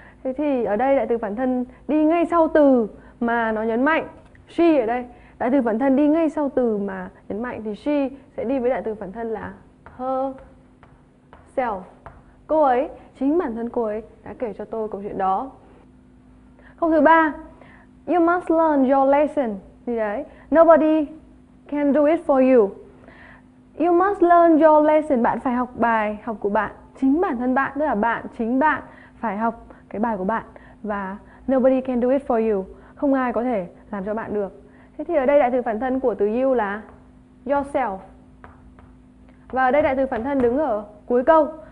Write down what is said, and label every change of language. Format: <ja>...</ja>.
<vi>Thế thì ở đây đại từ phản thân đi ngay sau từ mà nó nhấn mạnh. She ở đây, đại từ phản thân đi ngay sau từ mà nhấn mạnh, thì she sẽ đi với đại từ phản thân là her self. Cô ấy, chính bản thân cô ấy đã kể cho tôi câu chuyện đó. Câu thứ ba,</vi> <en>you must learn your lesson.</en> <vi>Thì đấy,</vi> <en>nobody can do it for you. You must learn your lesson.</en> <vi>Bạn phải học bài học của bạn, chính bản thân bạn, tức là bạn, chính bạn phải học cái bài của bạn. Và</vi> <en>nobody can do it for you.</en> <vi>Không ai có thể làm cho bạn được. Thế thì ở đây đại từ phản thân của từ you là yourself. Và ở đây đại từ phản thân đứng ở cuối câu.</vi>